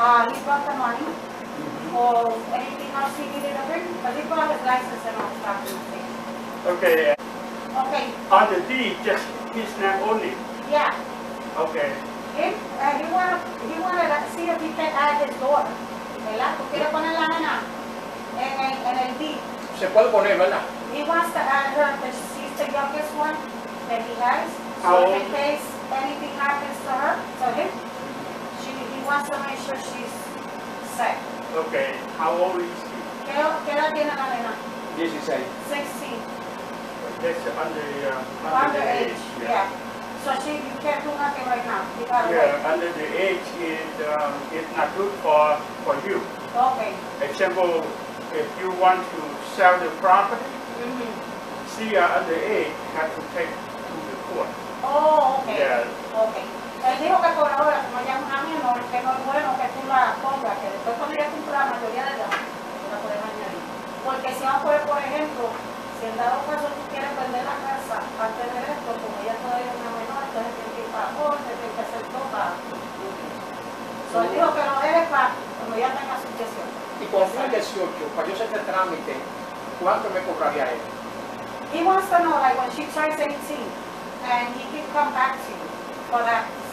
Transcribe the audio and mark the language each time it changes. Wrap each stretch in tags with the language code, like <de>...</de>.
<en>He brought the money. Or anything else he needed to bring, but he brought his license and all stuff. Okay. Okay. On the deed, just his name only? Yeah. Okay. He wanted to see if he can add his daughter.</en> <es>¿Verdad? Tú quieres poner la nena en el deed. Se puede poner, ¿verdad?</es> <en>He wants to add her, but she's the youngest one that he has. How old? So in case anything happens to her, to him, he wants to make sure she's safe. Okay, how old is she?</en> <es>¿Qué edad tiene la nena?</es> <en>16. 16. That's under age. Yeah. So she, you can't do nothing right now. Yeah, under the age, it's not good for you. Okay. Example, if you want to sell the property, she under age has to take to the court. Oh, okay. Yeah. Okay.</en> <es>Él dijo que por ahora, como ya es una menor, que no es bueno que tú la pongas, que después cuando ella cumpla la mayoría de edad, la puedes añadir. Porque si vamos a poner, por ejemplo, si en dado caso tú quieres vender la casa para tener esto, como ella todavía es una menor, entonces tienes que ir para corte, tienes que hacer todo para... So él dijo que no debe para cuando ella tenga su 18. Y con su 18, para yo hacer este trámite, ¿cuánto me cobraría él?</es> <en>He wants to know, like when she turns 18, and he can come back to you for that.</en>